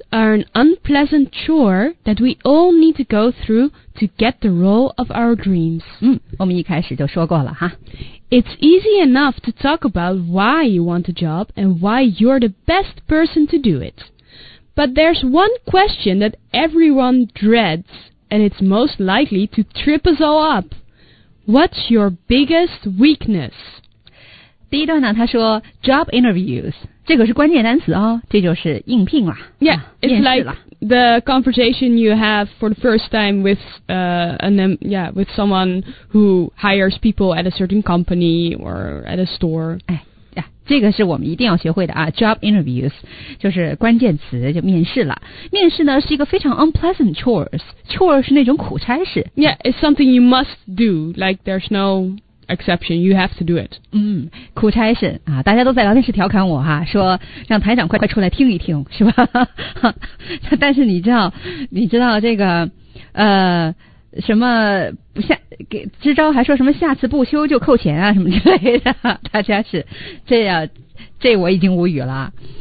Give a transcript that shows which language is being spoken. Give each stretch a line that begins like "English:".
English: are an unpleasant chore that we all need to go through to get the role of our dreams.
Chinese: 嗯，我们一开始就说过了哈。
English: It's easy enough to talk about why you want a job and why you're the best person to do it. But there's one question that everyone dreads, and it's most likely to trip us all up. What's your biggest weakness?
Chinese: 第一段呢，他说 job interviews， 这个是关键单词哦，这就是应聘啦。
English: Yeah, it's like the conversation you have for the first time with with someone who hires people at a certain company or at a store.
Chinese: 哎。这个是我们一定要学会的啊 ，job interviews， 就是关键词，就面试了。面试呢是一个非常
English: unpleasant chores，
Chinese: chore 是那种苦差事。
English: Yeah, it's something you must do. Like there's no exception. You have to do it.
Chinese: 嗯，苦差事啊，大家都在聊天室调侃我哈，说让台长快出来听一听，是吧？但是你知道这个什么下给支招还说什么下次不修就扣钱啊什么之类的，大家是这样，这我已经无语了。